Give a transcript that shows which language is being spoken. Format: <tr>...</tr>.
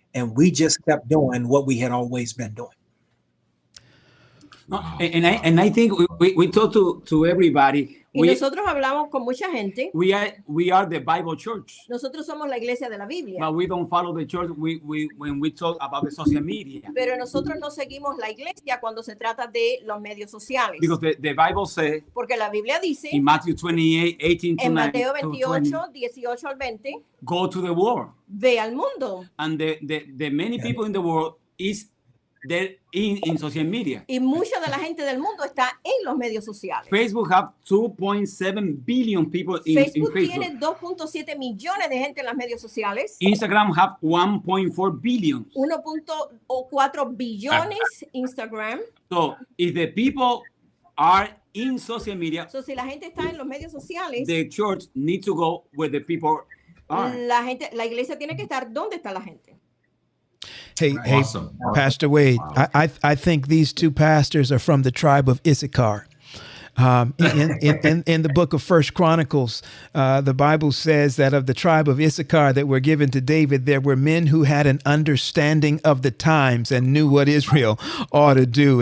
<en>And we just kept doing what we had always been doing. Wow. And I think we talk to everybody.</en> <es>Nosotros hablamos con mucha gente.</es> <en>We are the Bible church.</en> <es>Nosotros somos la iglesia de la Biblia.</es> <en>But we don't follow the church when we talk about the social media.</en> <es>Pero nosotros no seguimos la iglesia cuando se trata de los medios sociales.</es> <en>Because the Bible says,</en> <es>porque la Biblia dice,</es> <en>in Matthew 28, 18 to 19,</en> <es>en Mateo 28, 18 al 20,</es> <en>go to the world.</en> <es>Ve al mundo.</es> <en>And the many people in the world is they're in social media.</en> <es>Y mucha de la gente del mundo está en los medios sociales.</es> <en>Facebook have 2.7 billion people in Facebook.</en> <es>Tiene 2.7 millones de gente en las medios sociales.</es> <en>Instagram have 1.4 billion.</en> <es>1.4 billones Instagram.</es> <en>So if the people are in social media,</en> <es>so si la gente está en los medios sociales,</es> <en>the church needs to go where the people are.</en> <es>La gente, la iglesia tiene que estar donde está la gente.</es> <en>Hey, right. Hey, awesome. Pastor Wade, wow. I think these two pastors are from the tribe of Issachar. In the book of First Chronicles, the Bible says that of the tribe of Issachar that were given to David, there were men who had an understanding of the times and knew what Israel ought to do.</en>